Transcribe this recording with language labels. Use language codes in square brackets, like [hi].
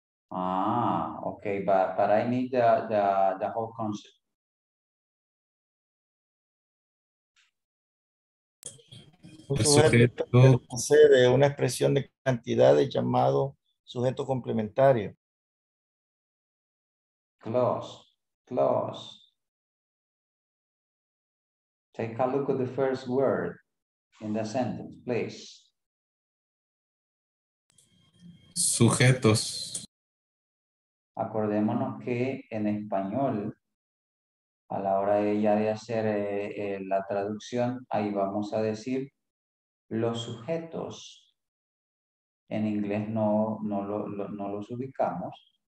[en] Ah, okay, but I need the whole concept. [es] El sujeto procede de una expresión de cantidades llamado sujeto complementario. [en] Close. Take a look at the first word in the sentence, please. [es] sujetos. Acordémonos que en español, a la hora de ya de hacer la traducción, ahí vamos a decir los sujetos. En inglés no los ubicamos.